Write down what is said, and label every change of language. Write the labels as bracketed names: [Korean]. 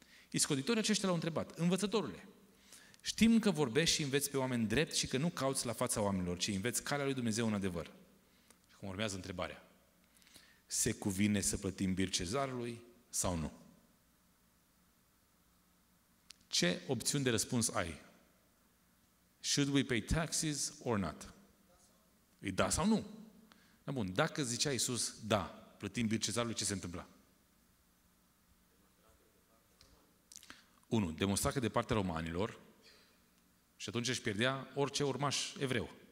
[Romanian] Iscoditorii aceștia l-au întrebat, învățătorule, știm că vorbești și înveți pe oameni drept și că nu cauți la fața oamenilor, ci înveți calea lui Dumnezeu în adevăr. Și cum urmează întrebarea, se cuvine să plătim bir cezarului sau nu? Ce opțiuni de răspuns ai? [English] Should we pay taxes or not? [Romanian] E da sau nu? Na bun, dacă zicea Iisus da, plătim bir cezarului, ce se întâmpla? Unu, demonstra că de partea romanilor și atunci își pierdea orice urmaș evreu.